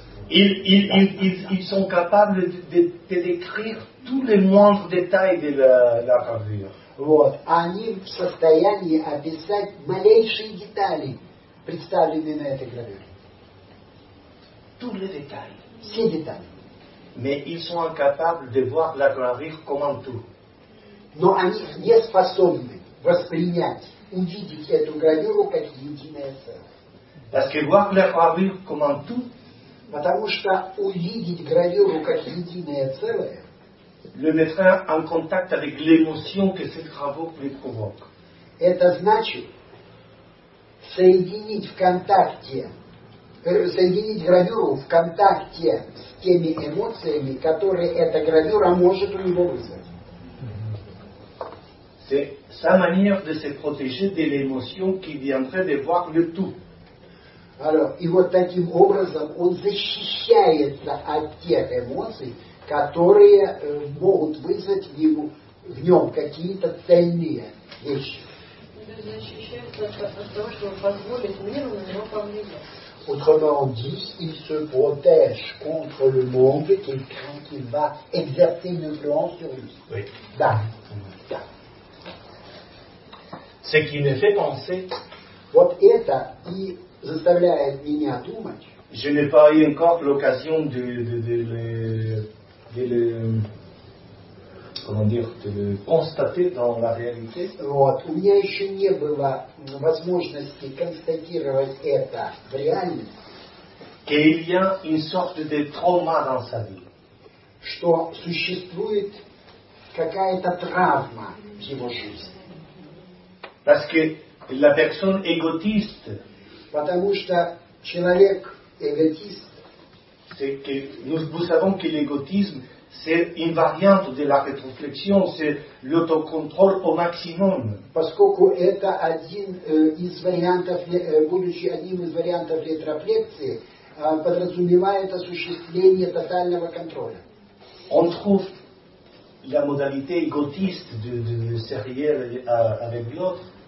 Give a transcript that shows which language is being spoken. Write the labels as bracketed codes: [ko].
[fr] ils sont capables de décrire tous les moindres détails de la gravure. [ru] Вот. Они в состоянии описать малейшие детали, представленные на этой гравюре. [fr] Tous les détails. [ru] Все детали. [fr] Mais ils sont incapables de voir la gravure comme un tout. [ru] Но они не способны воспринять, увидеть эту гравюру как единое целое. [fr] Parce que voir la gravure comme un tout, [ru] потому что увидеть гравюру как единое целое, [fr] le mettra en contact avec l'émotion que cette gravure lui provoque. [ru] Это значит соединить в контакте, соединить гравюру в контакте с теми эмоциями, которые эта гравюра может у него вызвать. [fr] C'est sa manière de se protéger de l'émotion qui viendrait de voir le tout. Alors, et [ru] вот таким образом он защищается от тех эмоций, которые могут вызвать в нем какие-то цельные вещи. Он защищается от того, чтобы позволить миру на него повлиять. [fr] Autrement dit, il se protège contre le monde et il craint qu'il va exercer une influence sur lui. Oui. [ru] Да. [fr] Ce qui me fait penser, [ru] вот это и заставляет меня думать. [fr] Je n'ai pas eu encore l'occasion de le constater dans la réalité. [ru] Вот, у меня еще не было возможности констатировать это в реальности. [fr] Qu'il y a une sorte de trauma dans sa vie. [ru] Что существует какая-то травма в его жизни. [fr] Parce que la personne égotiste, [ru] потому что человек эгоист, [fr] c'est que nous savons que l'égotisme c'est une variante de la rétroflexion, c'est l'autocontrôle au maximum. [ru] Поскольку это один из вариантов, будучи одним из вариантов ретрофлексии, подразумевает осуществление тотального контроля. [fr] On trouve la modalité égotiste de se relier avec l'autre.